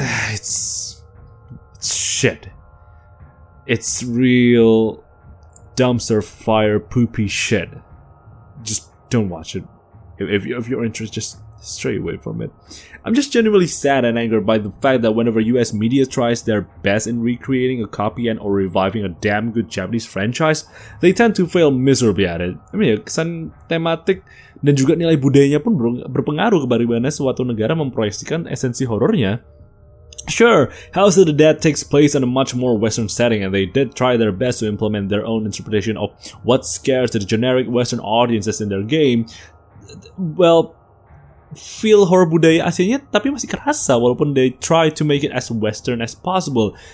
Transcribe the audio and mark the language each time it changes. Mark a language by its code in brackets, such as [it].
[en] It's shit. It's real dumpster fire poopy shit. Just don't watch it. If you're interested, just stray away from it. I'm just genuinely sad and angered by the fact that whenever US media tries their best in recreating a copy and or reviving a damn good Japanese franchise, they tend to fail miserably at it. I mean, [id] kesan tematik dan juga nilai budayanya pun berpengaruh kebarengannya suatu negara memproyeksikan esensi horornya. [en] Sure, House of the Dead takes place in a much more Western setting, and they did try their best to implement their own interpretation of what scares the generic Western audiences in their game. Well, feel horror [id] budaya aslinya tapi masih kerasa walaupun [en] they try to make it as Western as possible.